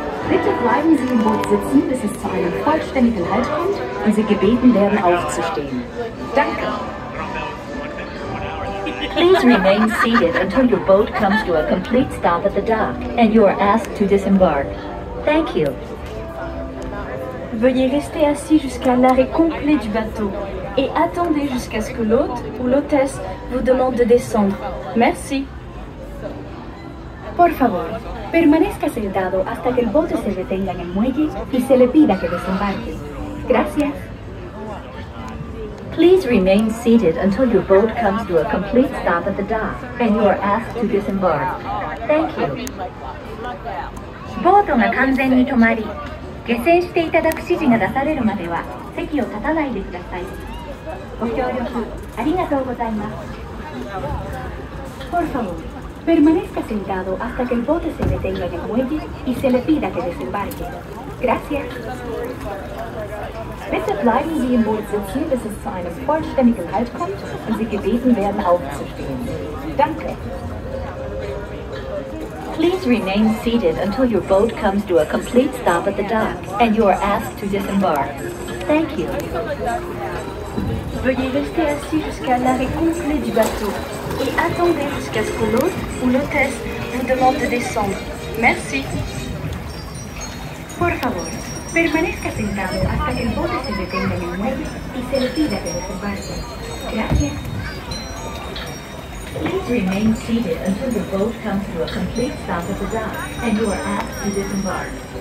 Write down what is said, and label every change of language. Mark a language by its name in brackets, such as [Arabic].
[German] Bitte bleiben Sie im Boot sitzen, bis es zu einem vollständigen Halt kommt und Sie gebeten werden, aufzustehen. Danke. [English] Please remain seated until your boat comes to a complete stop at the dock and you are asked to disembark. Thank you. [French] Veuillez rester assis jusqu'à l'arrêt complet du bateau et attendez jusqu'à ce que l'hôte ou l'hôtesse vous demande de descendre. Merci. [Spanish] Por favor, permanezca sentado hasta que el bote se detenga en el muelle y se le pida que desembarque. Gracias. [English] Please remain seated until your boat comes to a complete stop at the dock and you are asked to disembark. Thank you. [Japanese] Boat が完全に止まり、下船していただく指示が出されるまでは席を立たないでください。ご協力ありがとうございます。 [Spanish] Por favor, permanezca sentado hasta que el bote se detenga en el muelle y se le pida que desembarque. Gracias. [German] Bitte bleiben Sie im Boot sitzen, bis es zu einem vollständigen Halt kommt und Sie gebeten werden, aufzustehen. Danke. [English] Please remain seated until your boat comes to a complete stop at the dock and you are asked to disembark. Thank you. [French] Veuillez rester assis jusqu'à l'arrêt complet du bateau et attendez jusqu'à ce que l'hôte ou l'hôtesse vous demande de descendre. Merci. [Spanish] Por favor, permanezca sentado hasta que el bote se detenga en el muelle y se le pida que desembarque. Gracias. [English] Please remain seated until the boat comes to a complete stop at the dock and you are asked to disembark.